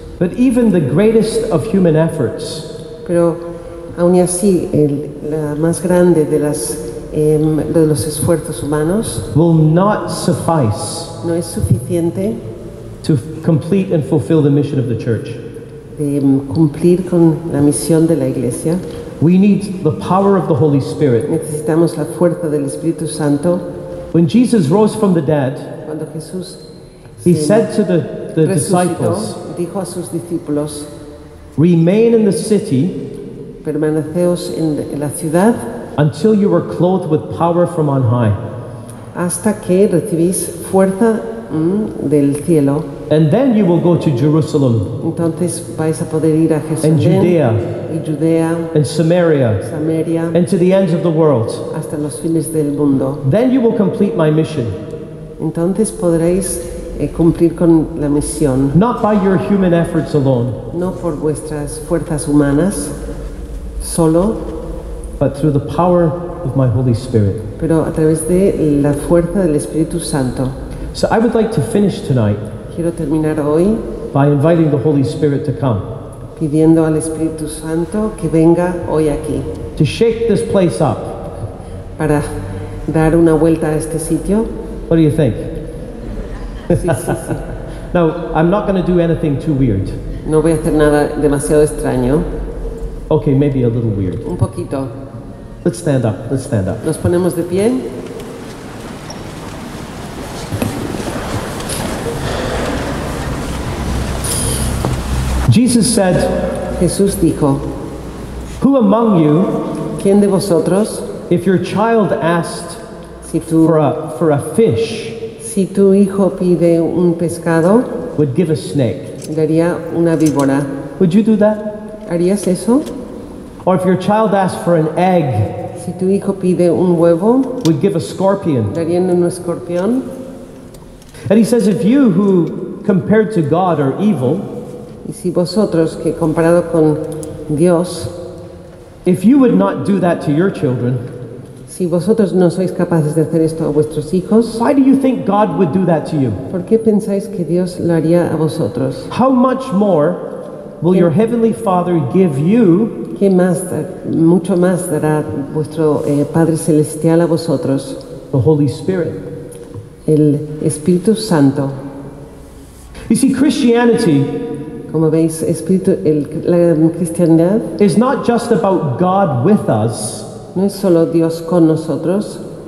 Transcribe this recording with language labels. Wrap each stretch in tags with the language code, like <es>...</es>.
<en>But even the greatest of human efforts.</en> <es>Pero aun y así, la más grande de las de los esfuerzos humanos</es> <en>will not suffice.</en> <es>No es suficiente</es> <en>to complete and fulfill the mission of the church.</en> <es>De cumplir con la misión de la iglesia.</es> <en>We need the power of the Holy Spirit.</en> <es>Necesitamos la fuerza del Espíritu Santo.</es> <en>When Jesus rose from the dead,</en> <es>cuando Jesús</es> <en>he said to the disciples,</en> <es>dijo a sus discípulos,</es> <en>remain in the city,</en> <es>permaneceos en la ciudad,</es> <en>until you are clothed with power from on high,</en> <es>hasta que recibís fuerza del cielo.</es> <en>And then you will go to Jerusalem.</en> <es>Entonces vais a poder ir a Jerusalén.</es> <en>And Judea.</en> <es>Y Judea.</es> <en>And Samaria.</en> <es>Samaria.</es> <en>And to the ends of the world.</en> <es>Hasta los fines del mundo.</es> <en>Then you will complete my mission.</en> <es>Entonces podréis cumplir con la misión.</es> <en>Not by your human efforts alone.</en> <es>No por vuestras fuerzas humanas solo.</es> <en>But through the power of my Holy Spirit.</en> <es>Pero a través de la fuerza del Espíritu Santo.</es> <en>So I would like to finish tonight.</en> <es>Quiero terminar hoy</es> <en>by inviting the Holy Spirit to come.</en> <es>Pidiendo al Espíritu Santo que venga hoy aquí.</es> <en>To shake this place up.</en> <es>Para dar una vuelta a este sitio.</es> <en>What do you think?</en> <es>Sí.</es> <en>Now, I'm not going to do anything too weird.</en> <es>No voy a hacer nada demasiado extraño.</es> <en>Okay, maybe a little weird.</en> <es>Un poquito.</es> <en>Let's stand up.</en> <es>Nos ponemos de pie.</es> <en>Jesus said,</en> <es>Jesús dijo,</es> <en>who among you,</en> <es>¿quién de vosotros,</es> <en>if your child asked</en> <es>si tu,</es> <en>for a fish,</en> <es>si tu hijo pide un pescado,</es> <en>would give a snake?</en> <es>Daría una víbora.</es> <en>Would you do that?</en> <es>¿Harías eso?</es> <en>Or if your child asked for an egg,</en> <es>si tu hijo pide un huevo,</es> <en>would give a scorpion?</en> <es>Darían un escorpión.</es> <en>And he says, if you who compared to God are evil,</en> <es>y si vosotros que comparado con Dios,</es> <en>if you would not do that to your children,</en> <es>si vosotros no sois capaces de hacer esto a vuestros hijos,</es> <en>why do you think God would do that to you?</en> <es>¿Por qué pensáis que Dios lo haría a vosotros?</es> <en>How much more will your heavenly Father give you?</en> <es>¿Qué más, mucho más dará vuestro Padre celestial a vosotros?</es> <en>The Holy Spirit.</en> <es>El Espíritu Santo.</es> <en>You see, Christianity,</en> <es>como veis, la cristianidad</es> <en>is not just about God with us.</en> <es>No es solo Dios con nosotros.</es>